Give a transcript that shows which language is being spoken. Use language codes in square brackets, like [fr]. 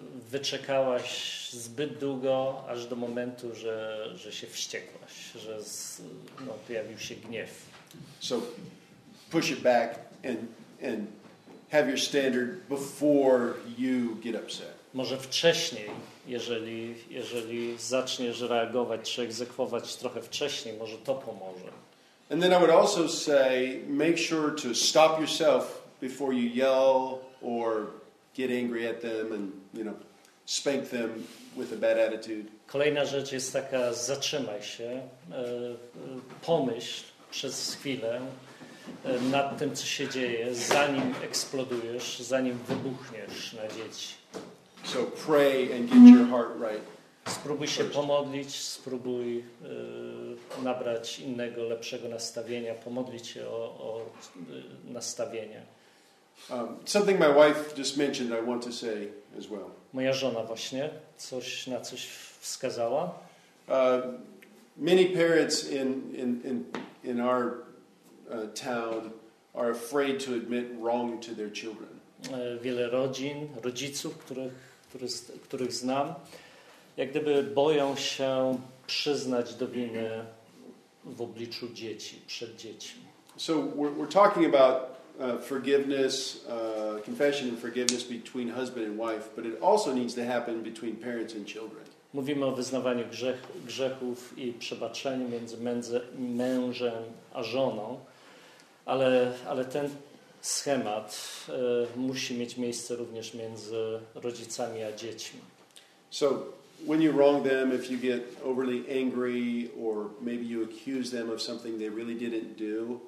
[pl] Wyczekałaś zbyt długo, aż do momentu, że się wściekłaś, że pojawił się gniew. [en] So push it back and have your standard before you get upset. [pl] Może wcześniej, jeżeli zaczniesz reagować czy egzekwować trochę wcześniej, może to pomoże. [en] And then I would also say, make sure to stop yourself before you yell or get angry at them and, you know, spank them with a bad attitude. [pl] Kolejna rzecz jest taka, zatrzymaj się, pomyśl przez chwilę nad tym, co się dzieje, zanim eksplodujesz, zanim wybuchniesz na dzieci. [en] So pray and get your heart right. [pl] Spróbuj się pomodlić, spróbuj nabrać innego, lepszego nastawienia. Pomodlić się o nastawienie. [en] Something my wife just mentioned, I want to say as well. [pl] Moja żona właśnie coś na coś wskazała. [en] Many parents in our town are afraid to admit wrong to their children. [pl] Wiele rodzin, rodziców, których znam, jak gdyby boją się przyznać do winy w obliczu dzieci, przed dziećmi. [en] So we're talking about forgiveness, confession and forgiveness between husband and wife, but it also needs to happen between parents and children. [pl] Mówimy o wyznawaniu grzechów i przebaczeniu między mężem a żoną, ale ten schemat musi mieć miejsce również między rodzicami a dziećmi. [en] So when you wrong them, if you get overly angry or maybe you accuse them of something they really didn't do.